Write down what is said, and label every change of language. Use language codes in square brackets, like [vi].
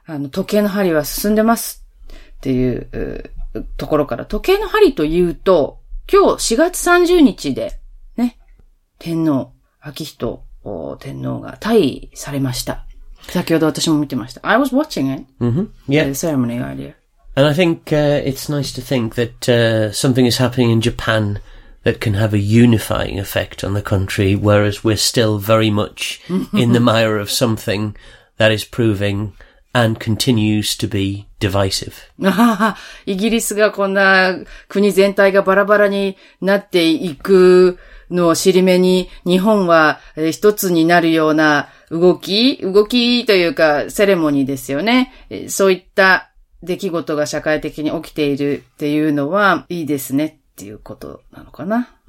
[ja] 時計の針は進んでますっていう、ところから、時計の針というと今日4月30日で。天皇、明人天皇が退位されました。先ほど私も見てました。 [en] I was watching it. The ceremony earlier. And I think, it's nice to think that, something is happening in Japan that can have a unifying effect on the country, whereas we're still very much in the mire of something that is proving and continues to be divisive. [ja] イギリスがこんな国全体がバラバラになっていくの尻目に日本は一つになるような動きというかセレモニーですよね。そういった出来事が社会的に起きているっていうのはいいですねっていうことなのかな。